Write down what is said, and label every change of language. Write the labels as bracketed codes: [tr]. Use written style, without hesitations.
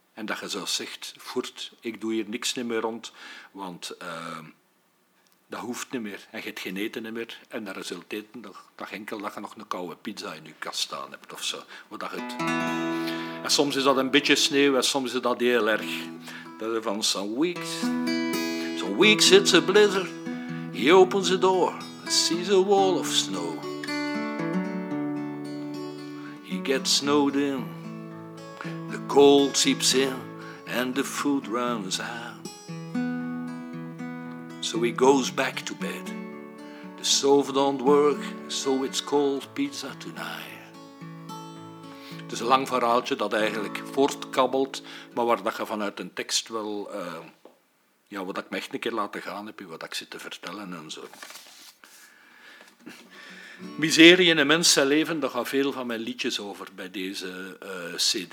[nl] En dat je zelfs zegt, voert, ik doe hier niks niet meer rond, want dat hoeft niet meer. En je hebt geen eten niet meer. En dat resulteert nog enkel dat je nog een koude pizza in je kast staan hebt of zo. Maar dat je het... En soms is dat een beetje sneeuw en soms is dat heel erg. Dat is van [en] some weeks it's a blizzard, he opens the door. Sees a wall of snow. He gets snowed in. The cold seeps in and the food runs out. So he goes back to bed. The stove don't work, so it's cold pizza tonight. [nl] Het is een lang verhaaltje dat eigenlijk voortkabbelt, maar waar dat je vanuit een tekst wel wat ik me echt een keer laten gaan heb, wat ik zit te vertellen en zo. Miserie in een mens zijn leven, daar gaan veel van mijn liedjes over bij deze cd.